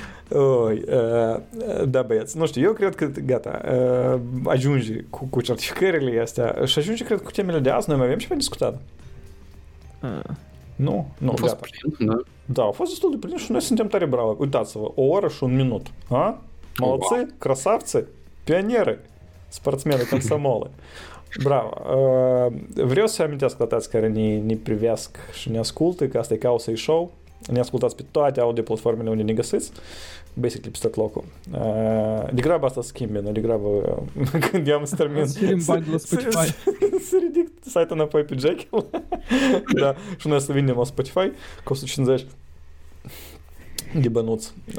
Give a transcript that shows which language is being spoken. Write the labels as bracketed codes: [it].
[ru] Ой, да, [ro] băieți, nu știu, eu cred că, gata, ajunge cu certificările astea și ajunge, cred, cu temele de azi, noi mai avem ceva discutat. Nu, a gata. Plin, da? Da, a fost destul de plin și noi suntem tare bravi. Uitați-vă, o oră și un minut. [ru] A? Молодцы, [en] wow. [ru] Красавцы, пионеры, спортсмены, комсомолы. Браво. [ro] Vreau să amintească la tăți care ne privească și ne ascultă, că asta e Chaos & Show. Ne ascultați pe toate audio-platformele unde ne găsiți, basically pe tot locul. De grabă asta schimbe, nu? De grabă când am să termin să ridic site-ul înapoi pe Jekyll da, și noi să vindem la Spotify, costă 50 de bănuți.